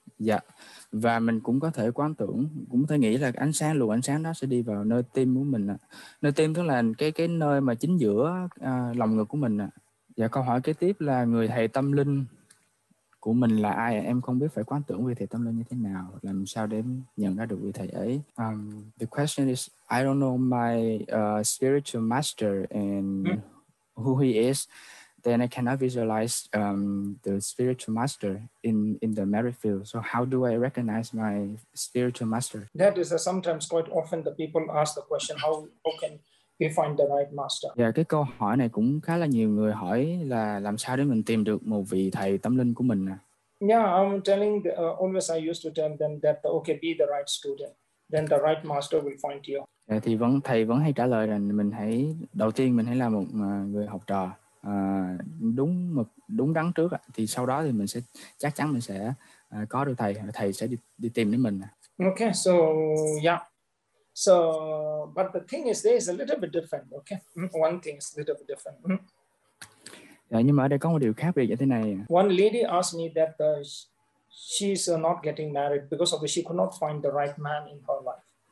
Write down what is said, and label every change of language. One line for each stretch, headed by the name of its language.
Vietnamese: Yeah, và mình cũng có thể quán tưởng, cũng có thể nghĩ là ánh sáng, luồng ánh sáng đó sẽ đi vào nơi tim của mình à. Nơi tim tức là cái nơi mà chính giữa lòng ngực của mình à. Và câu hỏi kế tiếp là người thầy tâm linh của mình là ai? Em không biết phải quán tưởng vị thầy tâm linh như thế nào, làm sao để nhận ra được vị thầy ấy.
English: The question is, I don't know my spiritual master and who he is. Then I cannot visualize the spiritual master in the merit field. So how do I recognize my spiritual master? That is sometimes quite often the people ask the question, how can we find the right master?
Vietnamese: Yeah, cái câu hỏi này cũng khá là nhiều người hỏi là làm sao để mình tìm được một vị thầy tâm linh của mình à?
English: Yeah, I'm telling, always I used to tell them that, okay, be the right student. Then the right master will find you.
Vietnamese: Yeah, thì vẫn, thầy vẫn hay trả lời rằng mình hãy, đầu tiên mình hãy là một người học trò đúng mực, đúng đắn trước à. Thì sau đó thì mình sẽ, chắc chắn mình sẽ có được thầy, thầy sẽ đi tìm đến mình à.
English: Okay, so, yeah. So, but the thing is, there is a little bit different, okay? One thing is a little bit different.
Vietnamese: Yeah, nhưng mà ở đây có một điều khác biệt như thế này.
English: One lady asked me that she's not getting married because of she could not find the right man in her life.